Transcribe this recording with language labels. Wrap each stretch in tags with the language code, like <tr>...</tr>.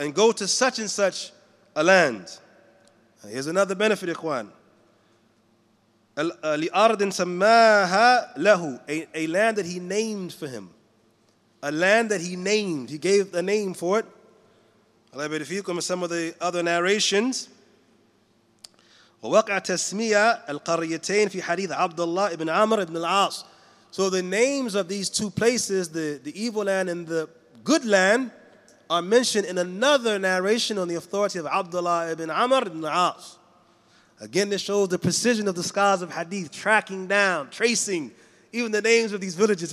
<en>And go to such and such a land. Now here's another benefit, Ikhwan.</en> <ar>Li ardin sammaha lahu.</ar> <en>A land that he named for him. A land that he named, he gave a name for it. Allah be with you. Come some of the other narrations.</en> <ar>وَوَقَعَ تَسْمِيَ الْقَرِيَتَيْنِ فِي حَدِيثِ عَبْدُ اللَّهِ ibn Amr ibn al-As.</ar> <en>So the names of these two places, the evil land and the good land, are mentioned in another narration on the authority of Abdullah ibn Amr ibn al-As. Again, this shows the precision of the scholars of hadith, tracking down, tracing even the names of these villages.</en>